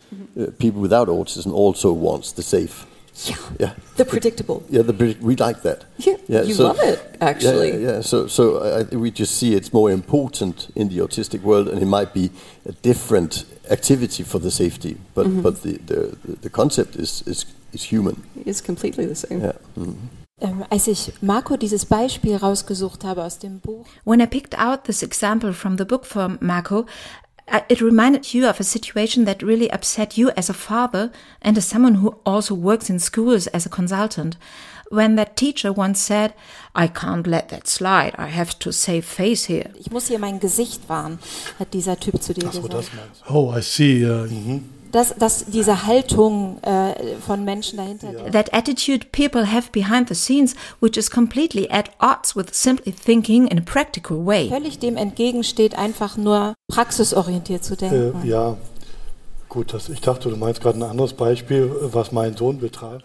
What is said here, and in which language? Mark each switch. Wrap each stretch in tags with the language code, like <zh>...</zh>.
<en>Mm-hmm. People without autism also wants the safe. Yeah. Yeah. The predictable. We like that. Yeah. You love it actually. We just see it's more important in the autistic world, and it might be a different activity for the safety, but mm-hmm. but the concept is human. It's completely the same. Yeah. Mm-hmm.</en> <de>Als ich Marco dieses Beispiel rausgesucht habe aus dem Buch.</de> <en>When I picked out this example from the book for Marco, it reminded you of a situation that really upset you as a father and as someone who also works in schools as a consultant. When that teacher once said, I can't let that slide, I have to save face here.</en> <de>Ich muss hier mein Gesicht wahren, hat dieser Typ zu dir gesagt.</de> <en>Oh, I see.</en> <de>Dass diese Haltung von Menschen dahinter.</de> <en>Yeah. That attitude people have behind the scenes, which is completely at odds with simply thinking in a practical way.</en> <de>Völlig dem entgegensteht, einfach nur praxisorientiert zu denken. Ja, gut, ich dachte, du meinst gerade ein anderes Beispiel, was meinen Sohn betrifft.</de>